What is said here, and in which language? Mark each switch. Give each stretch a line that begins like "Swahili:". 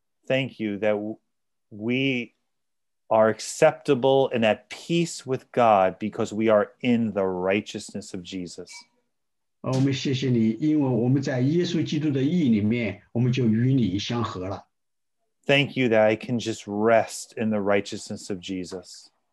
English: Thank you that we are acceptable and at peace with God because we are in the righteousness of Jesus.
Chinese: 我们谢谢你,因为我们在耶稣基督的义里面,我们就与你相合了。
English: Thank you that I can just rest in the righteousness of Jesus.